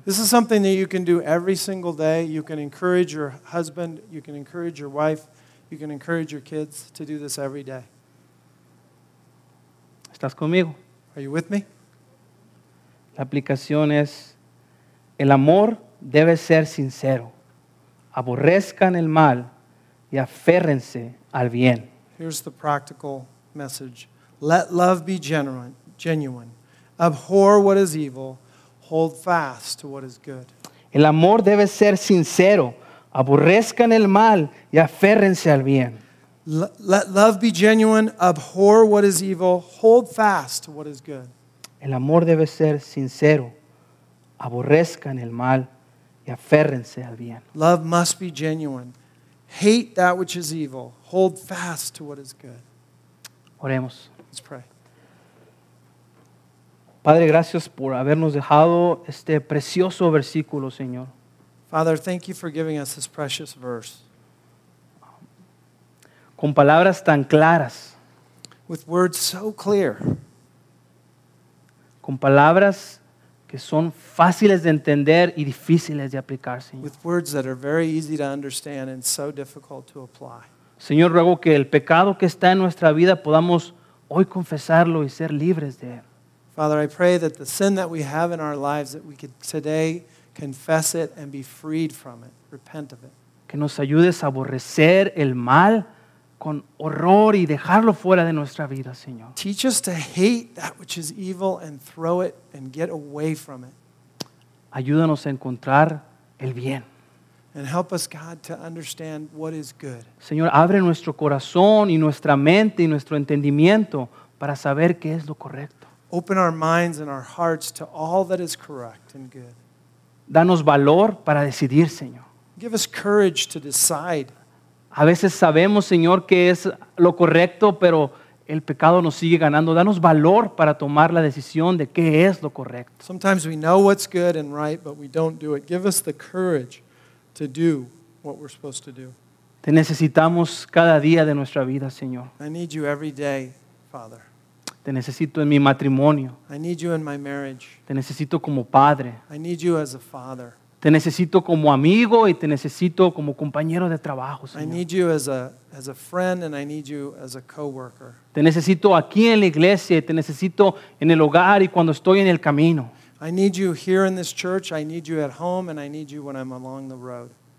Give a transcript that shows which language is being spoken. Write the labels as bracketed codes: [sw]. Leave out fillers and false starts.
[en] This is something that you can do every single day. You can encourage your husband, you can encourage your wife, You can encourage your kids to do this every day. [es] ¿Estás conmigo? [en] Are you with me? [es] La aplicación es, el amor debe ser sincero. Aborrezcan el mal y aférrense al bien. [en] Here's the practical message. Let love be genuine. Abhor what is evil. Hold fast to what is good. [es] El amor debe ser sincero. Aborrezcan el mal y aférrense al bien. [en] Let love be genuine. Abhor what is evil. Hold fast to what is good. [es] El amor debe ser sincero. Aborrezcan el mal y aférrense al bien. [en] Love must be genuine. Hate that which is evil. Hold fast to what is good. [es] Oremos. [en] Let's pray. [es] Padre, gracias por habernos dejado este precioso versículo, Señor. [en] Father, thank you for giving us this precious verse. [es] Con palabras tan claras. [en] With words so clear. [es] Con palabras que son fáciles de entender y difíciles de aplicar, Señor. [en] With words that are very easy to understand and so difficult to apply. [es] Señor, ruego que el pecado que está en nuestra vida podamos hoy confesarlo y ser libres de él. [en] Father, I pray that the sin that we have in our lives, that we could today confess it and be freed from it, repent of it. [es] Que nos ayudes a aborrecer el mal con horror y dejarlo fuera de nuestra vida, Señor. [en] Teach us to hate that which is evil and throw it and get away from it. [es] Ayúdanos a encontrar el bien. [en] And help us, God, to understand what is good. [es] Señor, abre nuestro corazón y nuestra mente y nuestro entendimiento para saber qué es lo correcto. [en] Open our minds and our hearts to all that is correct and good. [es] Danos valor para decidir, Señor. [en] Give us courage to decide. [es] A veces sabemos, Señor, que es lo correcto, pero el pecado nos sigue ganando. Danos valor para tomar la decisión de qué es lo correcto. [en] Sometimes we know what's good and right, but we don't do it. Give us the courage to do what we're supposed to do. [es] Te necesitamos cada día de nuestra vida, Señor. [en] I need you every day, Father. [es] Te necesito en mi matrimonio. [en] I need you in my marriage. [es] Te necesito como padre. [en] I need you as a father. [es] Te necesito como amigo y te necesito como compañero de trabajo, Señor. [en] I need you as a friend and I need you as a coworker. [es] Te necesito aquí en la iglesia, te necesito en el hogar y cuando estoy en el camino. [en] I need you here in this church, I need you at home and I need you when I'm along the road.